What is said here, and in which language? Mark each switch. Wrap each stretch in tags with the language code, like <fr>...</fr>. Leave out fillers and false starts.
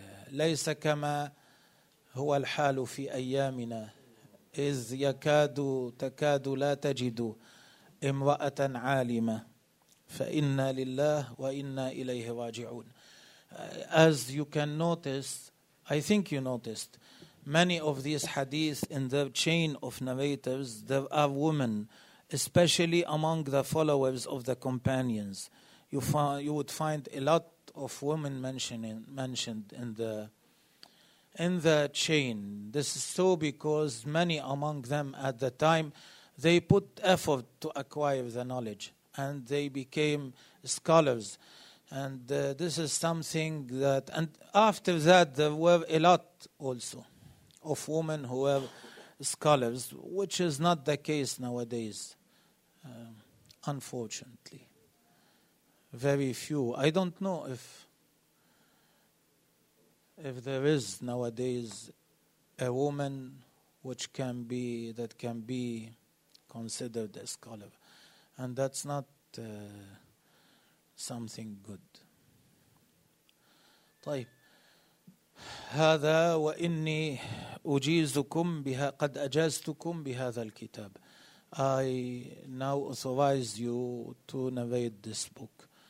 <ar>ليس كما هو الحال في أيامنا، إذ تكاد لا تجد امرأة عالمة، فإنا لله وإنا إليه راجعون.</ar> <en>As you can notice, I think you noticed, many of these hadith in their chain of narrators, there are women, especially among the followers of the companions. You would find a lot of women mentioned in the chain. This is so because many among them at the time, they put effort to acquire the knowledge and they became scholars. And this is something that, and after that there were a lot also of women who were scholars, which is not the case nowadays, unfortunately. Very few. I don't know if there is nowadays a woman that can be considered a scholar, and that's not something good.</en> <ar>طيب هذا وإني أجيزكم بها قد أجازتكم بهذا الكتاب.</ar> <en>I now authorize you to narrate this book.</en>